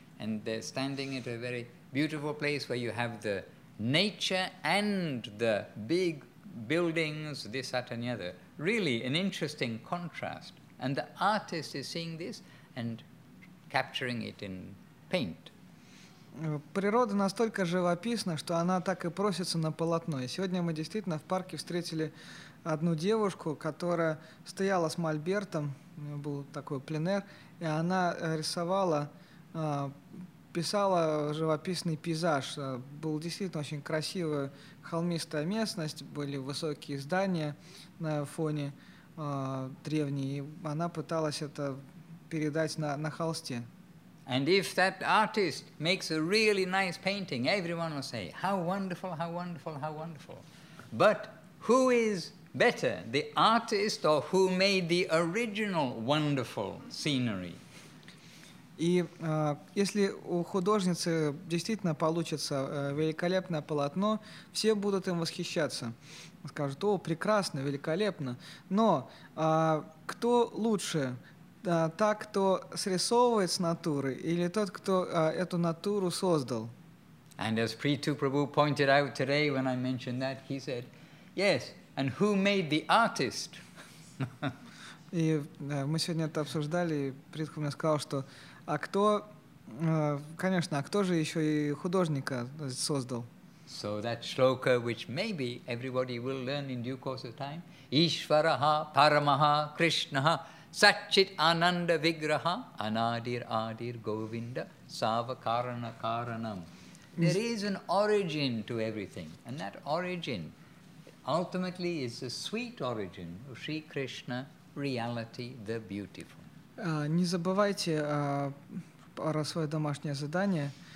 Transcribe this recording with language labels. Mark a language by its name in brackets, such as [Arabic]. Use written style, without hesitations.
[English] And they're standing in a very beautiful place where you have the nature and the big buildings, this, that, and the other. Really an interesting contrast. And the artist is seeing this and capturing it in paint. [Russian] Природа настолько живописна, что она так и просится на полотно. И сегодня мы действительно в парке встретили одну девушку, которая стояла с мольбертом, у нее был такой пленэр, и она рисовала, писала живописный пейзаж. Была действительно очень красивая холмистая местность, были высокие здания на фоне древней, и она пыталась это передать на холсте. [English] And if that artist makes a really nice painting, everyone will say, how wonderful, how wonderful, how wonderful. But who is better, the artist or who made the original wonderful scenery? [Russian] И если у художницы действительно получится великолепное полотно, все будут им восхищаться. Скажут, о, прекрасно, великолепно. Но кто лучше? Та, кто срисовывает с натуры, или тот, кто эту натуру создал. [English] And as Preetu Prabhu pointed out today when I mentioned that, he said, yes, and who made the artist? [Russian] И мы сегодня это обсуждали, и Притху мне сказал, что а кто, конечно, а кто же еще и художника создал? [English] So that shloka, which maybe everybody will learn in due course of time, [Sanskrit] Ishvaraha Paramaha Krishnaha Satchit Ananda Vigraha Anadir Adir Govinda Savakarana Karanam. [English] There is an origin to everything, and that origin ultimately is the sweet origin of Sri Krishna, reality, the beautiful. [Russian] Не забывайте про свое домашнее задание.